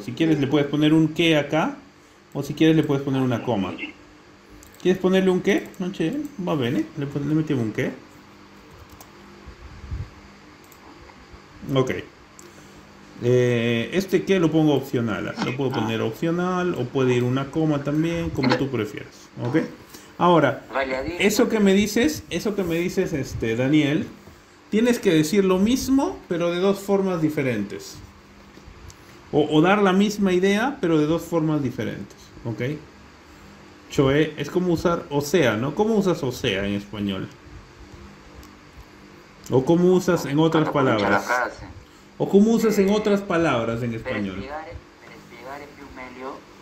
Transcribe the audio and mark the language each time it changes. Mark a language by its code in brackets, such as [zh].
[es] Si quieres le puedes poner un che acá o si quieres le puedes poner una coma. ¿Quieres ponerle un che? [it] Non c'è, va bene, le mettiamo un che. Ok. [es] Este que lo pongo opcional, lo puedo poner opcional o puede ir una coma también, como tú prefieras, ¿ok? Ahora, eso que me dices, Daniel, tienes que decir lo mismo, pero de dos formas diferentes. O dar la misma idea, pero de dos formas diferentes, ¿ok? Choe, es como usar o sea, ¿no? ¿Cómo usas o sea en español? Sí, ¿O cómo usas en otras Cuando pronuncia la palabras? frase, ¿O cómo usas en otras palabras en español? [it] per espiegare più meglio